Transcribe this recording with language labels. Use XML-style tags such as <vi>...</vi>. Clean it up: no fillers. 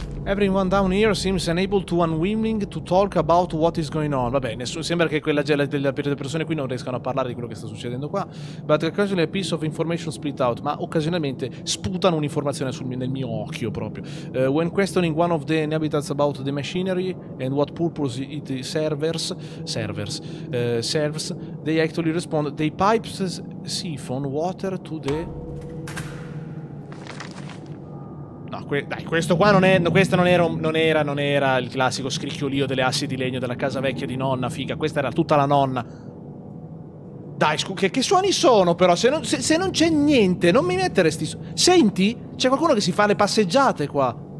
<en>Everyone down here seems unable to unwilling to talk about what is going on.</en> <it>Vabbè, nessuno, sembra che quella delle persone qui non riescano a parlare di quello che sta succedendo qua.</it> <en>But occasionally a piece of information split out.</en> <it>Ma occasionalmente sputano un'informazione nel mio occhio proprio.</it> <en>When questioning one of the inhabitants about the machinery and what purpose it serves, they actually respond, the pipes siphon water to the...</en> <it>No, dai, questo qua non è. Questo non era il classico scricchiolio delle assi di legno della casa vecchia di nonna, figa. Questa era tutta la nonna. Dai, che suoni sono, però? Se non c'è niente, non mi mettere sti. Senti? C'è qualcuno che si fa le passeggiate qua.</it>